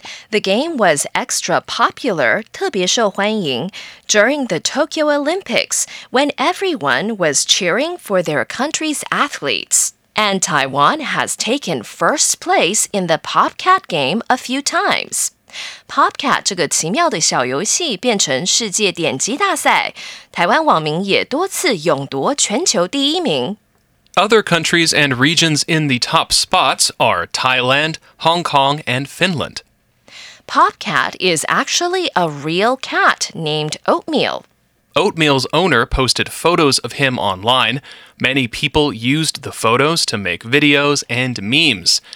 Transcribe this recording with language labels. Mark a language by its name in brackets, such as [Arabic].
[English] The game was extra popular, [Chinese] 特别受欢迎, [English] during the Tokyo Olympics, when everyone was cheering for their country's athletes. And Taiwan has taken first place in the PopCat game a few times. [Chinese] Popcat 这个奇妙的小游戏变成世界点击大赛，台湾网民也多次勇夺全球第一名。 [English] Other countries and regions in the top spots are Thailand, Hong Kong, and Finland. Popcat is actually a real cat named Oatmeal. Oatmeal's owner posted photos of him online. Many people used the photos to make videos and memes.